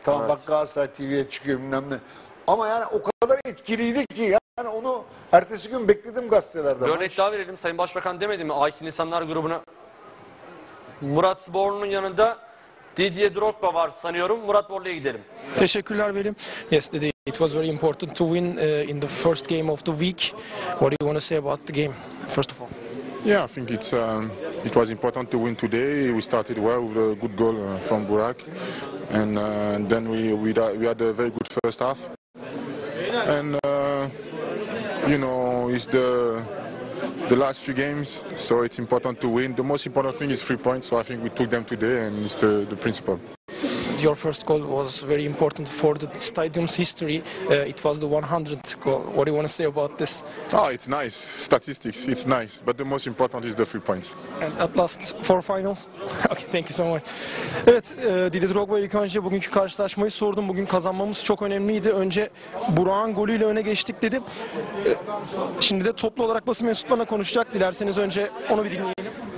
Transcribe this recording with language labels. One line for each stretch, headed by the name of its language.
Turkish: Tamam evet. Bak Galatasaray TV'ye çıkıyor bilmem ne. Ama yani o kadar etkiliydi ki ya. Yani onu ertesi gün bekledim gazetelerde. Bir örnek daha verelim. Sayın Başbakan demedi mi? Aykin İnsanlar grubuna Murat Borlu'nun yanında Didier Drogba var sanıyorum. Murat Borlu'ya gidelim. Teşekkürler benim.
English: Yes,
Turkish: dedi.
English: It was very important to win in the first game of the week. What do you want to say about the game, first of all? Yeah, I think it's it was important to win today. We started well with a good goal from Burak. And then we had a very good first half. And you know, it's the last few games, so it's important to win. The most important thing is 3 points, so I think we took them today, and it's the principle. Your first goal was very important for the stadium's history. It was the 100th goal. What do you want to say about this? Oh, it's nice. Statistics, it's nice. But the most important is the 3 points. And at last, 4 finals? Okay, thank you so much.
Turkish: Evet, Didier Drogba ilk önce bugünkü karşılaşmayı sordum. Bugün kazanmamız çok önemliydi. Önce Burak'ın golüyle öne geçtik dedim. Şimdi de toplu olarak basın mensuplarına konuşacak. Dilerseniz önce onu bir dinleyelim.